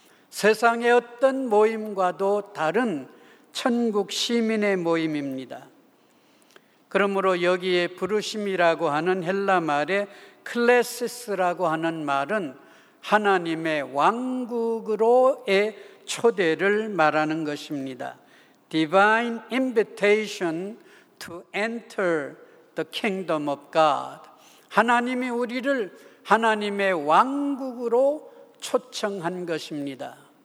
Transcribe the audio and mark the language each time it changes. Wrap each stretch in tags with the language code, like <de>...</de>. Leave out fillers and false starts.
<ko>세상의 어떤 모임과도 다른 천국 시민의 모임입니다. 그러므로 여기에 부르심이라고 하는 헬라 말의 클레시스라고 하는 말은 하나님의 왕국으로의 초대를 말하는 것입니다.</ko> <en>Divine invitation to enter the kingdom of God.</en> <ko>하나님이 우리를 하나님의 왕국으로 초청한 것입니다.</ko>